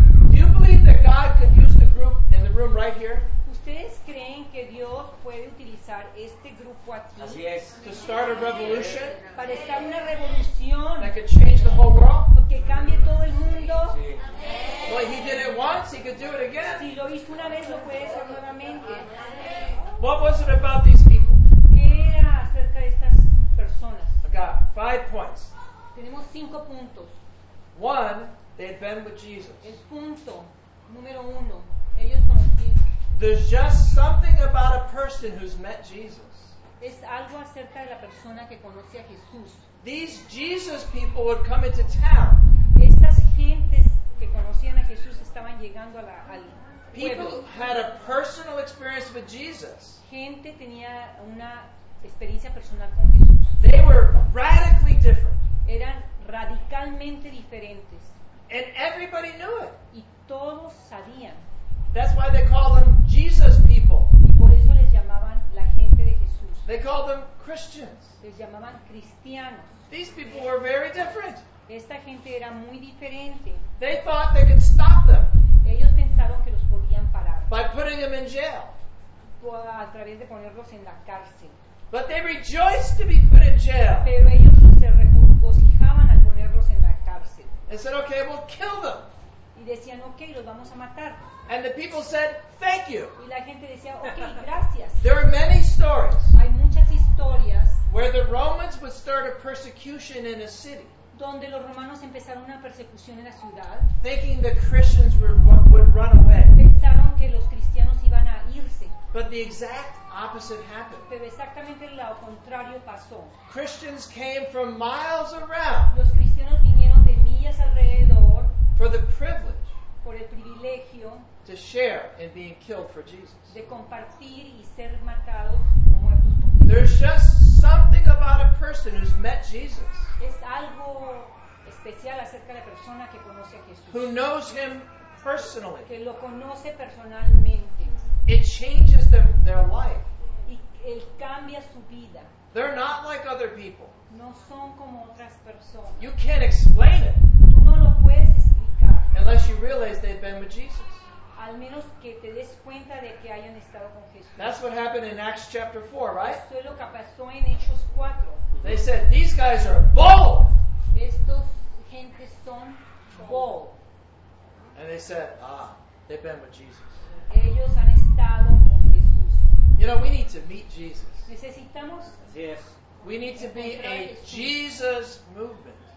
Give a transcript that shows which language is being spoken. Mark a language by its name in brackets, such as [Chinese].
[English] Do you believe that God could use the group in the room right here? [Spanish] ustedes creen que Dios puede utilizar este grupo aquí? Así es. [English] To start a revolution. [Spanish] Para estar una revolución. [English] That could change the whole world. [Spanish] Que cambie todo el mundo. Sí. [English] Well, he did it once, he could do it again. [Spanish] Si lo hizo una vez, lo puede hacer nuevamente. [English] What was it about these people? [Spanish] ¿Qué era acerca de estas personas? [English] I got 5 points. [Spanish] Tenemos 5 puntos. [English] One, they had been with Jesus. [Spanish] El punto número uno, ellos conocían. [English] There's just something about a person who's met Jesus. [Spanish] Es algo acerca de la persona que conoce a Jesús. [English] These Jesus people would come into town. [Spanish] Estas gentes que conocían a Jesús estaban llegando a la, al pueblo. [English] People had a personal experience with Jesus. [Spanish] Gente tenía una experiencia personal con Jesús. [English] They were radically different. [Spanish] Eran radicalmente diferentes. [English] And everybody knew it. [Spanish] Y todos sabían. [English] That's why they call them Jesus people. [Spanish] Y por eso les llamaban la gente de Jesús. [English] They call them Christians. [Spanish] Les llamaban cristianos. [English] These people were very different. [Spanish] Esta gente era muy diferente. [English] They thought they could stop them. [Spanish] Ellos pensaron que los podían parar. [English] By putting them in jail. [Spanish] A través de ponerlos en la cárcel. [English] But they rejoiced to be put in jail. [Spanish] Pero ellos se regocijaban al ponerlos en la cárcel. [English] They said, okay, we'll kill them. [Spanish] Y decían, okay, los vamos a matar. [English] And the people said, thank you. [Spanish] Y la gente decía, okay, gracias. [English] There are many stories. [Spanish] Hay muchas historias. [English] Where the Romans would start a persecution in a city. [Spanish] Donde los romanos empezaron una persecución en la ciudad. [English] Thinking the Christians would run away. [Spanish] Pensaron que los cristianos iban a irse. [English] But the exact opposite happened. [Spanish] Pero exactamente lo contrario pasó. [English] Christians came from miles around. [Spanish] Los cristianos vinieron de millas alrededor. [English] For the privilege. [Spanish] Por el privilegio. [English] To share in being killed for Jesus. [Spanish] De compartir y ser matados o muertos por Jesús. [English] There's just something about a person who's met Jesus. [Spanish] Es algo especial acerca de la persona que conoce a Jesús. [English] Who knows him personally. [Spanish] Que lo conoce personalmente. [English] It changes their life. [Spanish] Y él cambia su vida. [English] They're not like other people. [Spanish] No son como otras personas. [English] You can't explain it. [Spanish] Tú no lo puedes explicar. [English] Unless you realize they've been with Jesus. [Spanish] Al menos que te des cuenta de que hayan estado con Jesús. [English] That's what happened in Acts chapter 4, right? [Spanish] Eso es lo que pasó en Hechos 4. [English] They said, these guys are bold. [Spanish] Estos gentes son bold. [English] And they said, ah, they've been with Jesus. [Spanish] Ellos han estado con Jesús. [English] You know, we need to meet Jesus. [Spanish] Necesitamos. [English] Yes. We need to be a Jesus movement.